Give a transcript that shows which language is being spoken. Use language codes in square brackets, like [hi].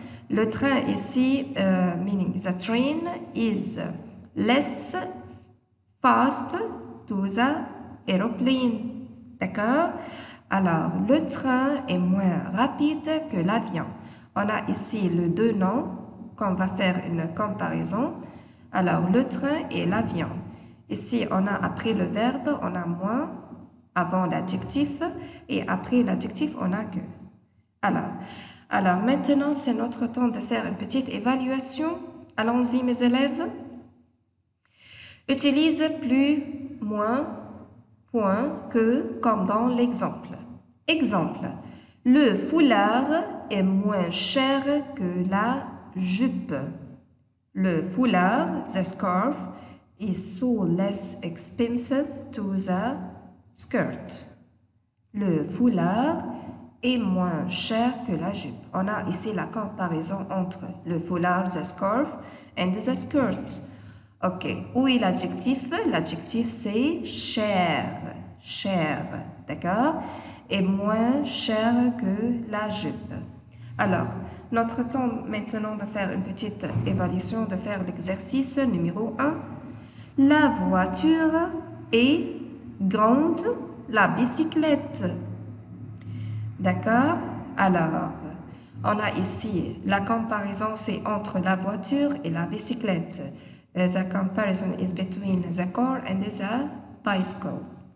[fr] Le train ici, [en] meaning the train, is less fast to the aeroplane. [fr] D'accord? Alors, le train est moins rapide que l'avion. On a ici le deux noms qu'on va faire une comparaison. Alors, le train et l'avion. Ici, on a après le verbe, on a moins, avant l'adjectif, et après l'adjectif, on a que. Alors, maintenant, c'est notre temps de faire une petite évaluation. Allons-y, mes élèves. Utilise plus, moins, point, que, comme dans l'exemple. Exemple, le foulard est moins cher que la jupe. Le foulard, [en] the scarf, is so less expensive to the skirt. [fr] Le foulard est moins cher que la jupe. On a ici la comparaison entre le foulard, [en] the scarf, and the skirt. [fr] OK. Où est l'adjectif? L'adjectif, c'est cher. Cher. D'accord? Et moins cher que la jupe. Alors, notre temps maintenant de faire une petite évaluation, de faire l'exercice numéro 1. La voiture est grande, la bicyclette. D'accord? Alors, on a ici la comparaison, c'est entre la voiture et la bicyclette. [en] The comparison is between the car and the bicycle.